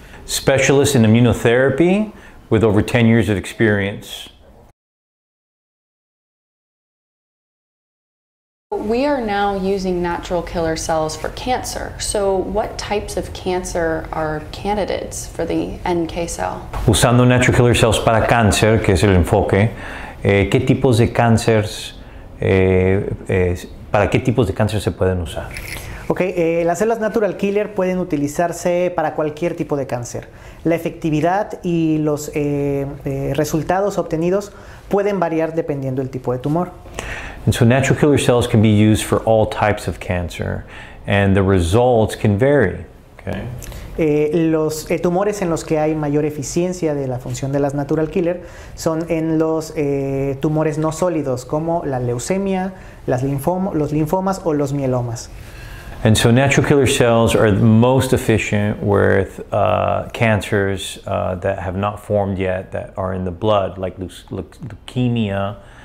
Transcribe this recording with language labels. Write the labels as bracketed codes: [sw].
[en] Specialist in immunotherapy with over 10 years of experience. We are now using natural killer cells for cancer. So what types of cancer are candidates for the NK cell? [es] Usando natural killer cells para cáncer, que es el enfoque, ¿qué tipos de cánceres, para qué tipos de cáncer se pueden usar? Okay, las células natural killer pueden utilizarse para cualquier tipo de cáncer. La efectividad y los resultados obtenidos pueden variar dependiendo del tipo de tumor. [en] And so natural killer cells can be used for all types of cancer, and the results can vary. Okay. [es] Los tumores en los que hay mayor eficiencia de la función de las natural killer son en los tumores no sólidos, como la leucemia, los linfomas o los mielomas. [en] And so natural killer cells are most efficient with cancers that have not formed yet, that are in the blood, like leukemia.